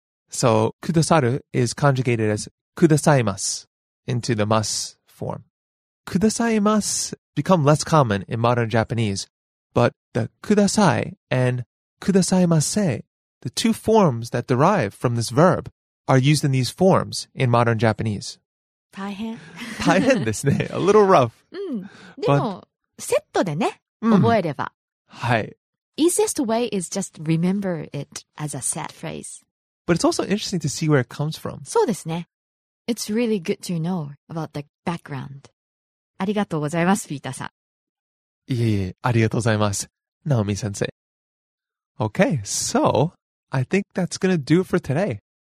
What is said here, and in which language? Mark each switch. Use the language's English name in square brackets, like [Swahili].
[English] So くださる is conjugated as くださいます into the mas form. くださいます become less common in modern Japanese, but the ください and くださいませ, the two forms that derive from this verb, are used in these forms in modern Japanese. [Japanese] 大変ですね. [English] A little rough. [Japanese] でもセットでね覚えれば. はい. [English] Easiest way is just remember it as a set phrase. But it's also interesting to see where it comes from. [Japanese] そうですね. [English] It's really good to know about the background. [Japanese] ありがとうございます, ピーターさん. いえいえ, ありがとうございます, ナオミ先生. [English] Okay, so I think that's going to do it for today.